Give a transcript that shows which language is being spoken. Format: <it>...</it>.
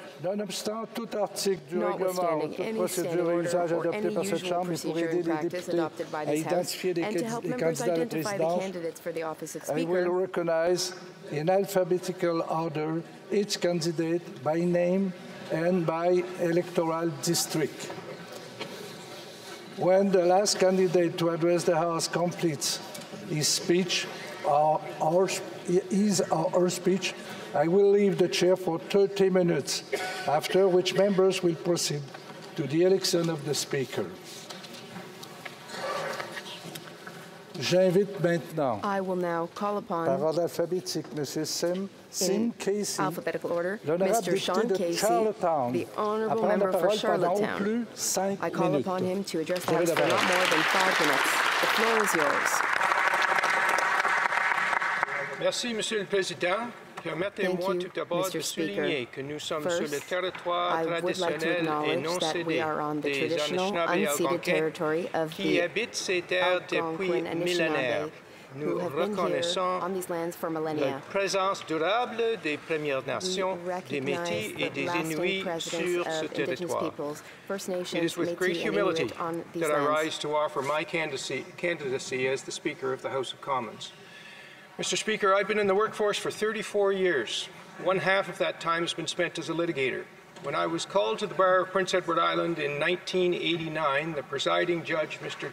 <fr>Nonobstant tout article du règlement, toute procédure et usage adoptée par cette Chambre pour aider les députés à identifier les candidats à la présidence,</fr> <en>I will recognize in alphabetical order each candidate by name and by electoral district. When the last candidate to address the House completes his speech, our speech, I will leave the chair for 30 minutes, after which members will proceed to the election of the speaker.</en> <fr>J'invite maintenant,</fr> <en>I will now call upon,</en> <fr>par ordre alphabétique, M. Sim Casey,</fr> <en>alphabetical order, Mr. Sean Casey, the honorable member for Charlottetown. I call upon him to address the House for not more than 5 minutes. The floor is yours.</en> <fr>Merci, Monsieur le Président. Permettez-moi tout d'abord de souligner que nous sommes sur le territoire traditionnel et non cédé des Anishinaabe Algonquins qui habitent ces terres depuis millénaires. Nous reconnaissons la présence durable des Premières Nations, des Métis et des Inuits sur ce territoire.</fr> <en>It is with great humility that I rise to offer my candidacy as the Speaker of the House of Commons. Mr. Speaker, I've been in the workforce for 34 years. One half of that time has been spent as a litigator. When I was called to the bar of Prince Edward Island in 1989, the presiding judge, Mr.</en>